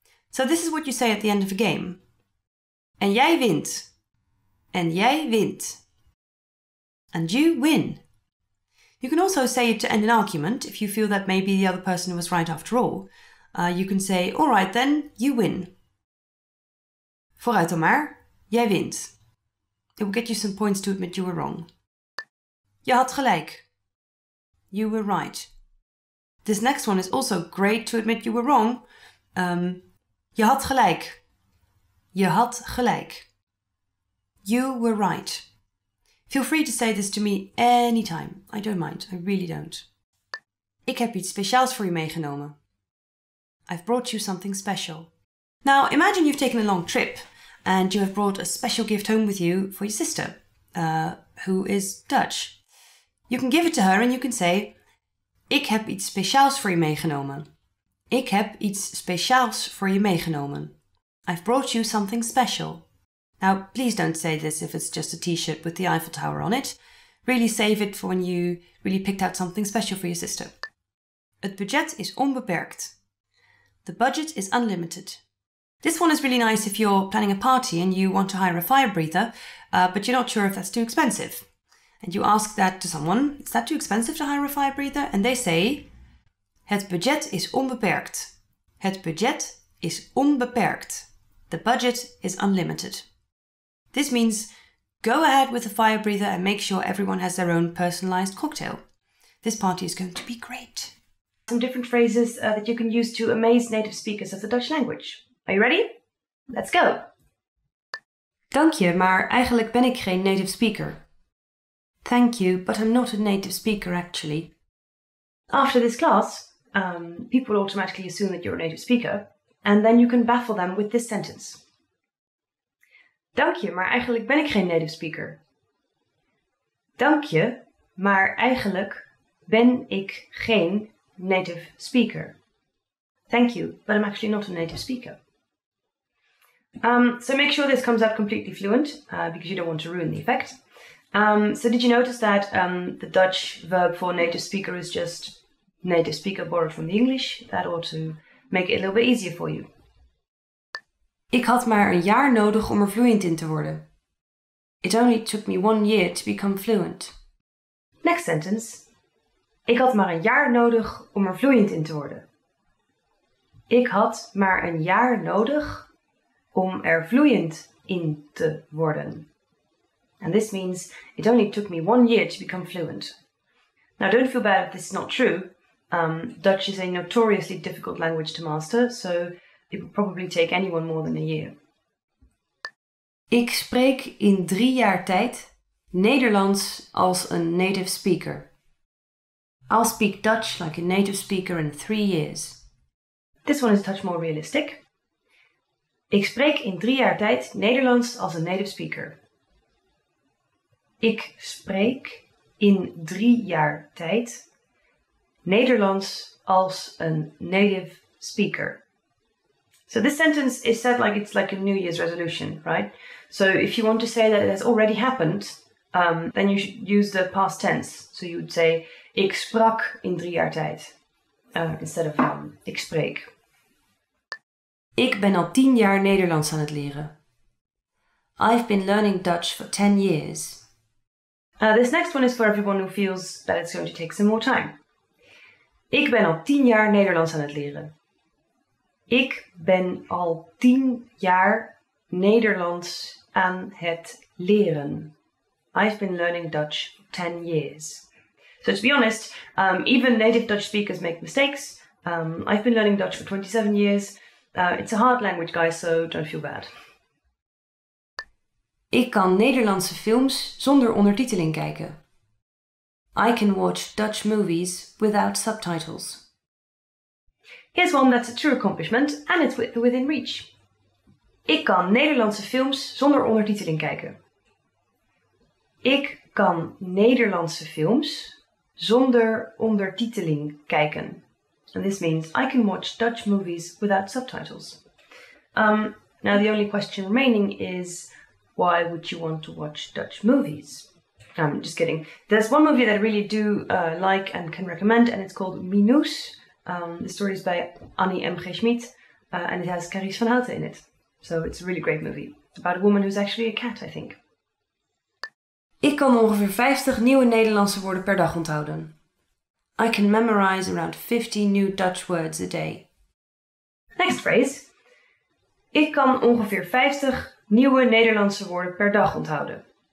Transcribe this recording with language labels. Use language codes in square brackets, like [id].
[en] So this is what you say at the end of a game. [nl] En jij wint. En jij wint. [en] And you win. You can also say it to end an argument if you feel that maybe the other person was right after all. You can say, all right then, you win. [nl] Vooruit dan maar, jij wint. [en] It will get you some points to admit you were wrong. [nl] Je had gelijk. [en] You were right. This next one is also great to admit you were wrong. [nl] Je had gelijk. Je had gelijk. [en] You were right. Feel free to say this to me anytime. I don't mind. I really don't. [nl] Ik heb iets speciaals voor je meegenomen. [en] I've brought you something special. Now, imagine you've taken a long trip and you have brought a special gift home with you for your sister, who is Dutch. You can give it to her and you can say, [nl] ik heb iets speciaals voor je meegenomen. Ik heb iets speciaals voor je meegenomen. [en] I've brought you something special. Now, please don't say this if it's just a t-shirt with the Eiffel Tower on it. Really save it for when you really picked out something special for your sister. [nl] Het budget is onbeperkt. [en] The budget is unlimited. This one is really nice if you're planning a party and you want to hire a fire breather, but you're not sure if that's too expensive. And you ask that to someone, is that too expensive to hire a fire breather? And they say, [nl] het budget is onbeperkt. Het budget is onbeperkt. [en] The budget is unlimited. This means go ahead with the fire breather and make sure everyone has their own personalized cocktail. This party is going to be great. Some different phrases that you can use to amaze native speakers of the Dutch language. Are you ready? Let's go! [nl] Dank je, maar eigenlijk ben ik geen native speaker. [en] Thank you, but I'm not a native speaker, actually. After this class, people automatically assume that you're a native speaker, and then you can baffle them with this sentence. [nl] Dank je, maar eigenlijk ben ik geen native speaker. Dank je, maar eigenlijk ben ik geen native speaker. [en] Thank you, but I'm actually not a native speaker. So make sure this comes out completely fluent, because you don't want to ruin the effect. So did you notice that the Dutch verb for native speaker is just native speaker borrowed from the English? That ought to make it a little bit easier for you. [nl] Ik had maar een jaar nodig om er fluent in te worden. [en] It only took me 1 year to become fluent. Next sentence. [nl] Ik had maar een jaar nodig om er fluent in te worden. Ik had maar een jaar nodig om er fluent in te worden. [en] And this means, it only took me 1 year to become fluent. Now don't feel bad if this is not true. Dutch is a notoriously difficult language to master, so it would probably take anyone more than a year. [nl] Ik spreek in 3 jaar tijd Nederlands als een native speaker. [en] I'll speak Dutch like a native speaker in 3 years. This one is a touch more realistic. [nl] Ik spreek in 3 jaar tijd Nederlands als een native speaker. Ik spreek in 3 jaar tijd Nederlands als een native speaker. [en] So this sentence is said like it's like a New Year's resolution, right? So if you want to say that it has already happened, then you should use the past tense. So you would say, [nl] ik sprak in 3 jaar tijd, [en] instead of [nl] ik spreek. Ik ben al 10 jaar Nederlands aan het leren. [en] I've been learning Dutch for 10 years. This next one is for everyone who feels that it's going to take some more time. [nl] Ik ben al 10 jaar Nederlands aan het leren. Ik ben al 10 jaar Nederlands aan het leren. [en] I've been learning Dutch for 10 years. So to be honest, even native Dutch speakers make mistakes. I've been learning Dutch for 27 years. It's a hard language, guys, so don't feel bad. [nl] Ik kan Nederlandse films zonder ondertiteling kijken. [en] I can watch Dutch movies without subtitles. Here's one that's a true accomplishment, and it's within reach. [nl] Ik kan Nederlandse films zonder ondertiteling kijken. Ik kan Nederlandse films zonder ondertiteling kijken. [en] And this means, I can watch Dutch movies without subtitles. Now the only question remaining is, why would you want to watch Dutch movies? I'm just kidding. There's one movie that I really do like and can recommend, and it's called Minus. The story is by Annie M. G. Schmid, and it has Carice van Houten in it. So it's a really great movie. It's about a woman who's actually a cat, I think. [nl] Ik kan ongeveer 50 nieuwe Nederlandse woorden per dag onthouden. [en] I can memorize around 50 new Dutch words a day. Next phrase. [nl] Ik kan ongeveer 50 nieuwe Nederlandse woorden per dag onthouden.